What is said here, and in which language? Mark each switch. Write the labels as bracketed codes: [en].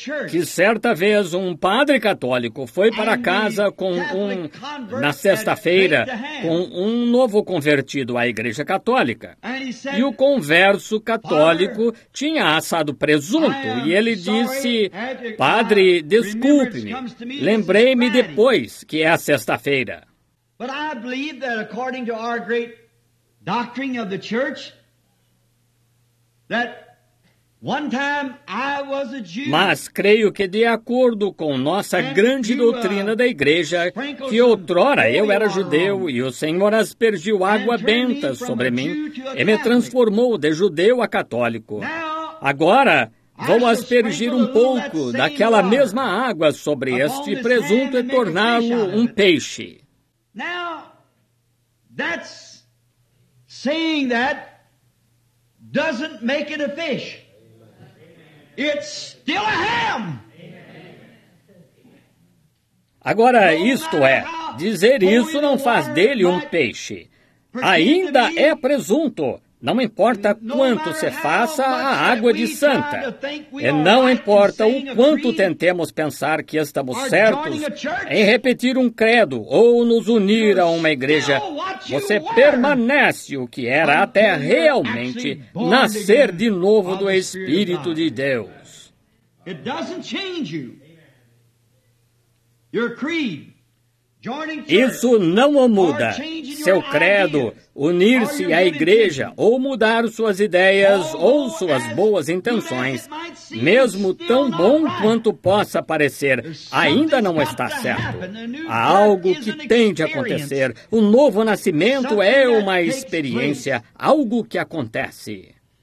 [pt] Que certa vez um padre católico foi para casa na sexta-feira, com um novo convertido à Igreja Católica. E o converso católico tinha assado presunto, e ele disse, padre, desculpe-me, lembrei-me depois que é a sexta-feira. Mas eu acredito que, [en] according to our great doctrine of the church, that one time I was a Jew. [pt] Mas creio que, de acordo com nossa grande doutrina da igreja, que outrora eu era judeu e o Senhor aspergiu água benta sobre mim e me transformou de judeu a católico. Agora, vou aspergir um pouco daquela mesma água sobre este presunto e torná-lo um peixe. [en] Now, that's saying that doesn't make it a fish. It's still a ham. [pt] Agora, isto é, dizer isso não faz dele um peixe. Ainda é presunto, não importa quanto se faça a água de santa. E não importa o quanto tentemos pensar que estamos certos em repetir um credo ou nos unir a uma igreja, você permanece o que era até realmente nascer de novo do Espírito de Deus. [en] It doesn't change you. Your creed. [pt] Isso não o muda. Seu credo, unir-se à igreja ou mudar suas ideias ou suas boas intenções, mesmo tão bom quanto possa parecer, ainda não está certo. Há algo que tem de acontecer. O novo nascimento é uma experiência, algo que acontece.